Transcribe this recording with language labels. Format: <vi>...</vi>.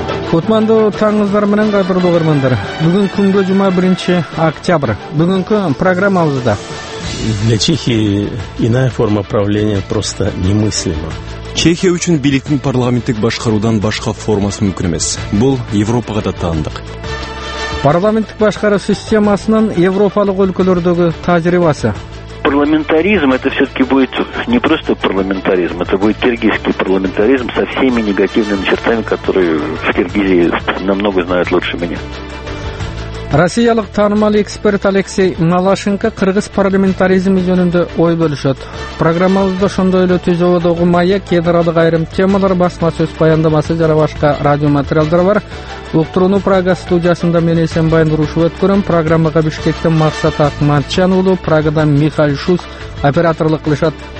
<ky>Кутмандуу таңыңыздар менен кадырлуу көрмөндөр. Бүгүн күнгө жума 1-октябрь. Бүгүнкү программабызда</ky> <ru>для Чехии иная форма правления просто немыслима.</ru> <ky>Чехия үчүн бийликтин парламенттик башкаруудан башка формасы мүмкүн эмес. Бул Европага да таандык. Парламенттик башкаруу системасынын европалык өлкөлөрдөгү тажрыйбасы.</ky> <ru>Парламентаризм это все-таки будет не просто парламентаризм, это будет киргизский парламентаризм со всеми негативными чертами, которые в Киргизии намного знают лучше меня.</ru> <ky>Россиялык таанымал эксперт Алексей Малашенко кыргыз парламентаризми жөнүндө ой бөлүшөт. Программабызда ошондой эле түзөөдөгү маек, кедралык айрым темалар, басма сөз баяндамасы жана башка радиоматериалдар бар. Уктуруунун Прага студиясында мен Эсенбай Нурушев өткөрөм. Программага Бишкектен Максат Акматчан уулу, Прагадан Михаил Шуз операторлук кылышат.</ky>